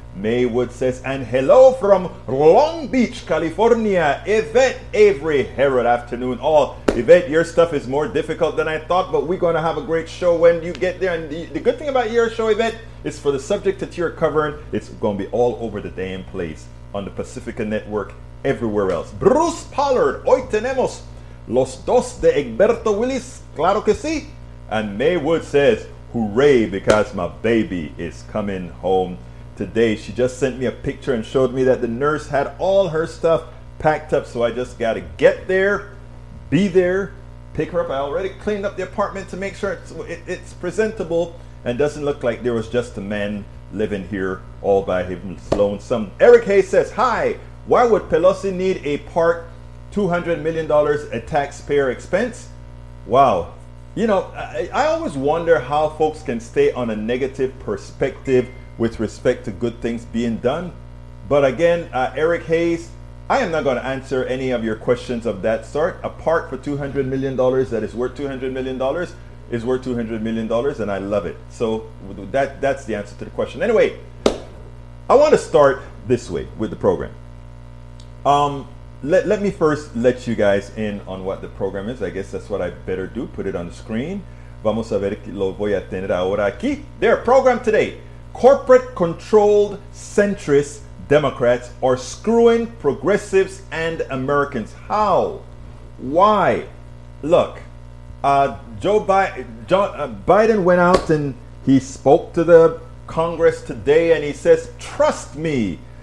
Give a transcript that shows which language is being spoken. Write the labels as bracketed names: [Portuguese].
[English] Maywood says, and hello from Long Beach, California. Yvette Avery, Herod, afternoon all. Yvette, your stuff is more difficult than I thought, but we're going to have a great show when you get there. And the good thing about your show, Yvette, is for the subject that you're covering, it's going to be all over the damn place on the Pacifica Network, everywhere else. [Spanish] Bruce Pollard, hoy tenemos los dos de Egberto Willis. Claro que sí. [English] And Maywood says, hooray, because my baby is coming home today. She just sent me a picture and showed me that the nurse had all her stuff packed up. So I just got to get there, be there, pick her up. I already cleaned up the apartment to make sure it's presentable and doesn't look like there was just a man living here all by his lonesome. Eric Hayes says, hi, why would Pelosi need a part $200 million a taxpayer expense? Wow. You know, I always wonder how folks can stay on a negative perspective with respect to good things being done. But again, Eric Hayes, I am not going to answer any of your questions of that sort. A part for $200 million that is worth $200 million is worth $200 million, and I love it. So that's the answer to the question. Anyway, I want to start this way with the program. Let me first let you guys in on what the program is. I guess that's what I better do. Put it on the screen. [Spanish] Vamos a ver que lo voy a tener ahora aquí. [English] Their program today. Corporate-controlled centrist Democrats are screwing progressives and Americans. How? Why? Look, Biden went out and he spoke to the Congress today and he says, trust me.